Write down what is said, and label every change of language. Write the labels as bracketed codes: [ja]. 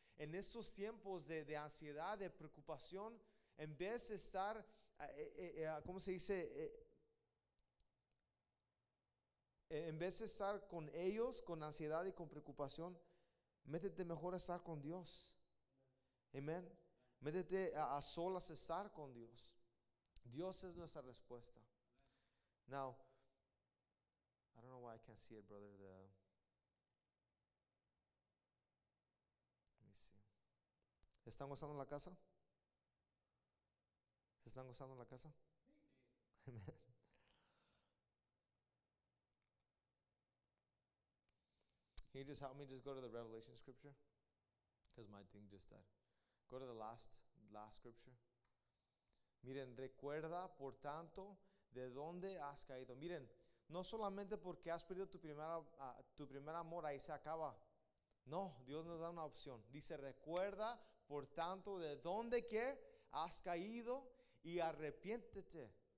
[es] En estos tiempos de ansiedad, de preocupación, en vez de estar, ¿cómo se dice? En vez de estar con ellos, con ansiedad y con preocupación, métete mejor a estar con Dios. Amén. Métete a solas a estar con Dios. Dios es nuestra respuesta. [en] Now, I don't know why I can't see it, brother. Let me see. [es] ¿Están gozando en la casa? ¿Se están gozando en la casa? Sí. Amén. [en] Can you just help me just go to the Revelation scripture? Because my thing just died. Go to the last scripture. [es] Miren, recuerda, por tanto, de dónde has caído. Miren, no solamente porque has perdido tu primer amor, ahí se acaba. No, Dios nos da una opción. Dice, recuerda, por tanto, de dónde que has caído y arrepiéntete.